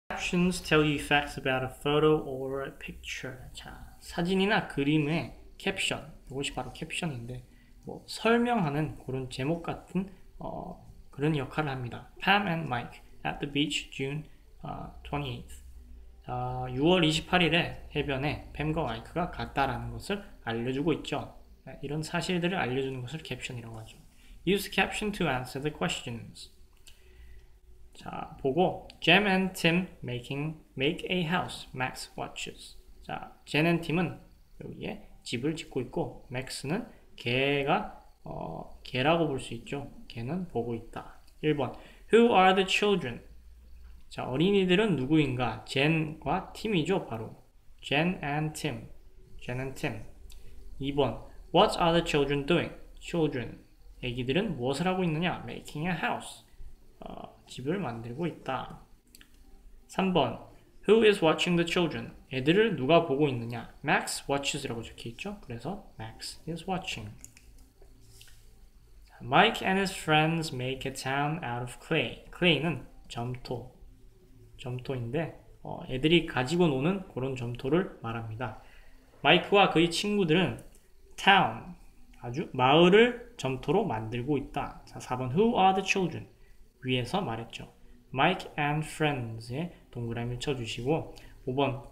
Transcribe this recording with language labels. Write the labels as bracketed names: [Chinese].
[English] Captions tell you facts about a photo or a picture. [Korean] 자, 사진이나 그림의 캡션, 이것이 바로 캡션인데, 뭐 설명하는 그런 제목 같은 그런 역할을 합니다. [English] Pam and Mike at the beach June 28th. [Korean] 6월 28일에 해변에 팸과 마이크가 갔다라는 것을 알려주고 있죠. 이런 사실들을 알려주는 것을 캡션이라고 하죠. [English] Use caption to answer the questions. [Korean] 자, 보고, [English] Jem and Tim make a house. Max watches. [Korean] 자, Jen and Tim은 여기에 집을 짓고 있고, Max는 개가, 개라고 볼수 있죠. 개는 보고 있다. 1번. [English] Who are the children? [Korean] 자, 어린이들은 누구인가? Jen과 Tim이죠, 바로. Jen and Tim. Jen and Tim. 2번. [English] What are the children doing? Children. [Korean] 애기들은 무엇을 하고 있느냐? [English] Making a house. [Korean] 집을 만들고 있다. 3번. [English] Who is watching the children? [Korean] 애들을 누가 보고 있느냐? Max watches라고 적혀있죠? 그래서 [English] Max is watching. Mike and his friends make a town out of clay. [Korean] Clay는 점토. 점토인데, 애들이 가지고 노는 그런 점토를 말합니다. 마이크와 그의 친구들은 town, 아주 마을을 점토로 만들고 있다. 자, 4번. [English] Who are the children? [Korean] 위에서 말했죠. Mike and friends에 동그라미 쳐주시고, 5번.